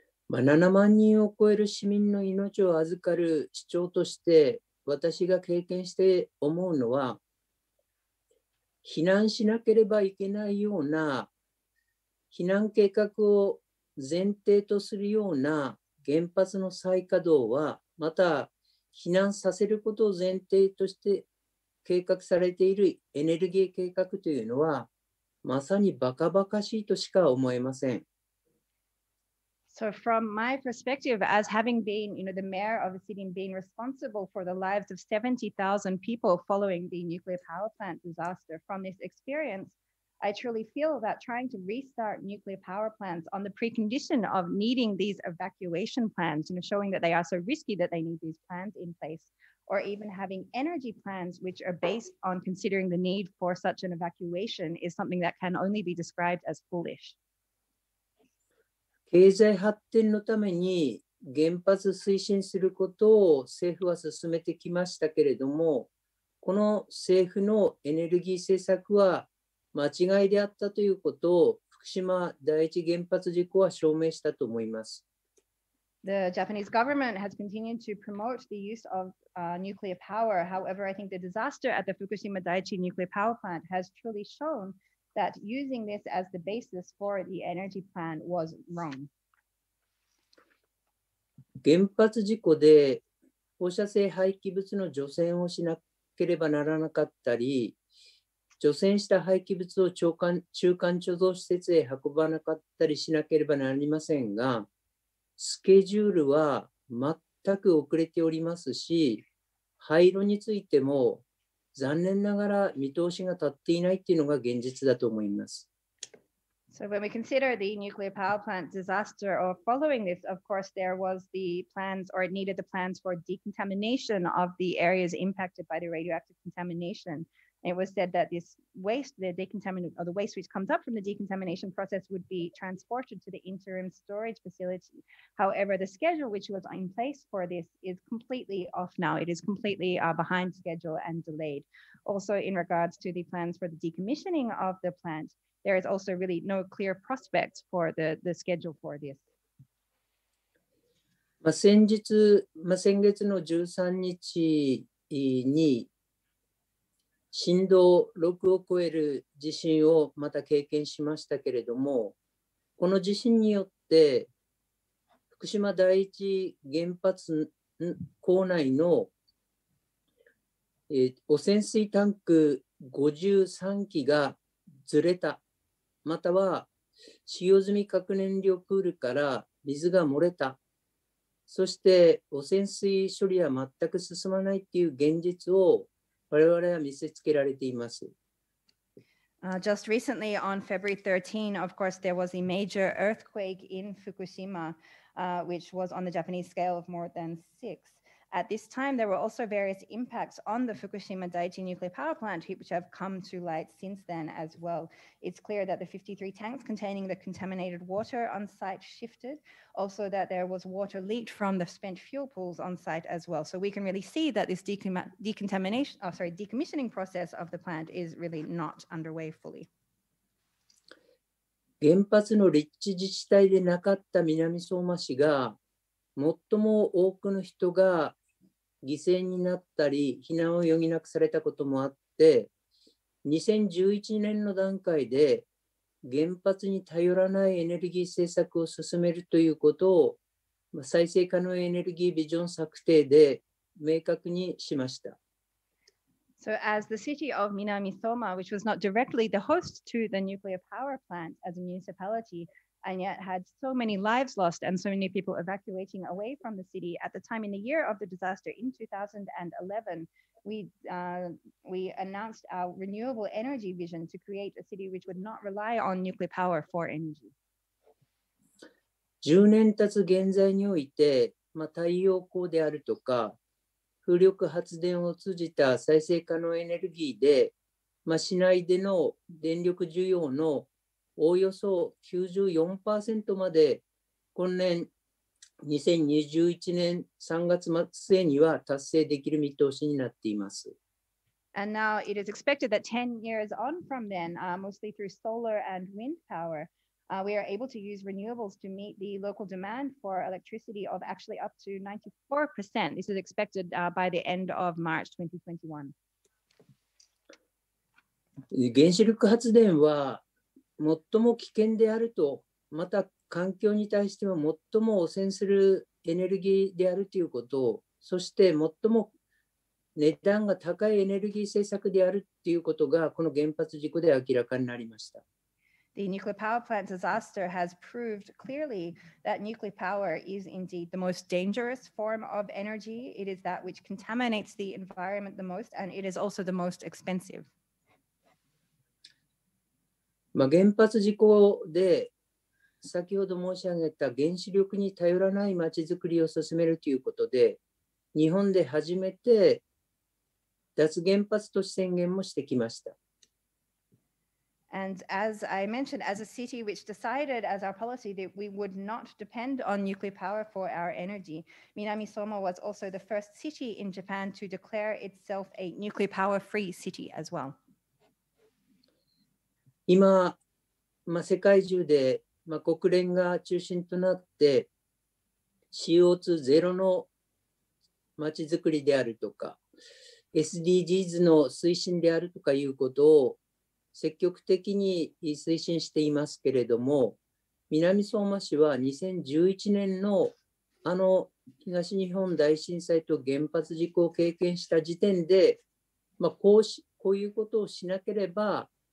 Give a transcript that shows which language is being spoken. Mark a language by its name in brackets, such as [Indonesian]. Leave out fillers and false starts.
[Japanese] 7万人を超える市民の命を預かる市長として私が経験して思うのは、避難しなければいけないような避難計画を前提とするような原発の再稼働は、また避難させることを前提として計画されているエネルギー計画というのは、まさにバカバカしいとしか思えません。 [English] So from my perspective, as having been, you know, the mayor of a city and being responsible for the lives of 70,000 people following the nuclear power plant disaster, from this experience, I truly feel that trying to restart nuclear power plants on the precondition of needing these evacuation plans, you know, showing that they are so risky that they need these plans in place, or even having energy plans which are based on considering the need for such an evacuation is something that can only be described as foolish. [Japanese] 経済発展のために原発推進することを政府は進めてきましたけれども、この政府のエネルギー政策は間違いであったということを福島第一原発事故は証明したと思います。 [English] The Japanese government has continued to promote the use of、nuclear power. However, I think the disaster at the Fukushima Daiichi nuclear power plant has truly shownthat using this as the basis for the energy plan was wrong. [Japanese] 原発事故で放射性廃棄物の除染をしなければならなかったり、除染した廃棄物を中間貯蔵施設へ運ばなかったりしなければなりませんが、スケジュールは全く遅れておりますし、廃炉についても残念ながら見通しが立っていないというのが現実だと思います。 [English] So when we consider the nuclear power plant disaster or following this, of course, there was the plans or it needed the plans for decontamination of the areas impacted by the radioactive contamination. It was said that this waste, the decontaminant or the waste which comes up from the decontamination process would be transported to the interim storage facility. However, the schedule which was in place for this is completely off now. It is completely、behind schedule and delayed. Also, in regards to the plans for the decommissioning of the plant,There is also really no clear prospect for the schedule for this. [Japanese] 先月の13日に震度6を超える地震をまた経験しましたけれども、この地震によって福島第一原発構内の汚染水タンク53基がずれた。または使用済み核燃料プールから水が漏れた、そして汚染水処理は全く進まないという現実を我々は見せつけられています。 [English] Just recently on February 13, of course, there was a major earthquake in Fukushima,、which was on the Japanese scale of more than 6. At this time, there were also various impacts on the Fukushima Daiichi nuclear power plant, which have come to light since then as well. It's clear that the 53 tanks containing the contaminated water on site shifted, also that there was water leaked from the spent fuel pools on site as well. So we can really see that this decommissioning process of the plant is really not underway fully. [Japanese] 原発の立地自治体でなかった南相馬市が最も多くの人が犠牲になったり避難を余儀なくされたこともあって、2011年の段階で原発に頼らないエネルギー政策を進めるということを再生可能エネルギービジョン策定で明確にしました。 [English] So as the city of Minami Soma, which was not directly the host to the nuclear power plant as a municipality,and yet had so many lives lost and so many people evacuating away from the city at the time in the year of the disaster in 2011, we announced our renewable energy vision to create a city which would not rely on nuclear power for energy. [Japanese] 10年経つ現在において、まあ、太陽光であるとか風力発電を通じた再生可能エネルギーで、まあ、市内での電力需要のおおよそ 94% まで今年2021年3月末には達成できる見通しになっています。 [English] And now it is expected that 10 years on from then, mostly through solar and wind power, we are able to use renewables to meet the local demand for electricity of actually up to 94%. This is expected by the end of March 2021. [Japanese] 原子力発電は最も危険であると、また環境に対しても最も汚染するエネルギーであるということを、そして最も値段が高いエネルギー政策であるということが、この原発事故で明らかになりました。 [English] The nuclear power plant disaster has proved clearly that nuclear power is indeed the most dangerous form of energy. It is that which contaminates the environment the most, and it is also the most expensive. [Japanese] まあ、原発事故で先ほど申し上げた原子力に頼らない町づくりを進めるということで、日本で初めて脱原発都市宣言もしてきました。 [English] And as I mentioned, as a city which decided as our policy that we would not depend on nuclear power for our energy, 南相馬 was also the first city in Japan to declare itself a nuclear power free city as well. [Japanese] 今、まあ、世界中で、まあ、国連が中心となって CO2 ゼロの街づくりであるとか SDGs の推進であるとかいうことを積極的に推進していますけれども、南相馬市は2011年のあの東日本大震災と原発事故を経験した時点で、まあ、こういうことをしなければ